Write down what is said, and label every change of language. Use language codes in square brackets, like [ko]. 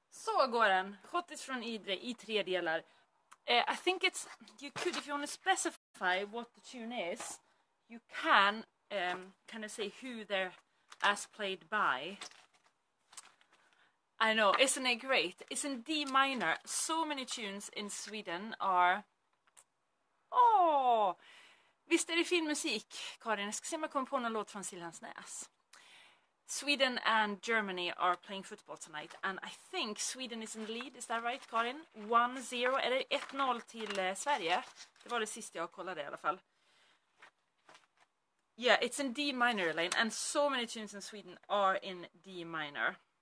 [sv] I tre delar. [en] I think it's, you could, if you want to specify what the tune is, you can kind of say who they're as played by. I know, isn't it great? It's in D minor. So many tunes in Sweden are, oh, [sv] visst är det fin musik, Karin? Jag ska se om jag kommer på någon låt från Siljans näs. [en] Sweden and Germany are playing football tonight, and I think Sweden is in the lead, is that right, Karin? [sv] 1-0, är det 1-0 till Sverige? Det var det sista jag kollade i alla fall. [en] Yeah, it's in D minor, Elaine, and so many tunes in Sweden are in D minor.